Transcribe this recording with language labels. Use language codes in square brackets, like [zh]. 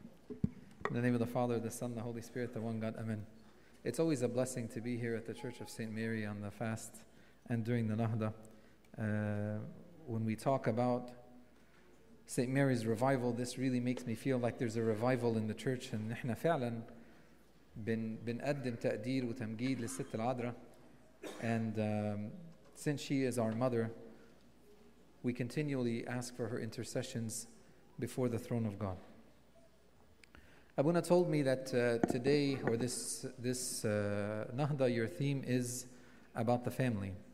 [en] In the name of the Father, the Son, the Holy Spirit, the one God. Amen. It's always a blessing to be here at the Church of St. Mary on the fast and during the Nahda. When we talk about St. Mary's revival, this really makes me feel like there's a revival in the Church. [ar] And نحن فعلا بنقدم تقدير وتمجيد للست العذراء. [en] And since she is our mother, we continually ask for her intercessions before the throne of God. Abuna told me that today, or this Nahda, your theme is about the family.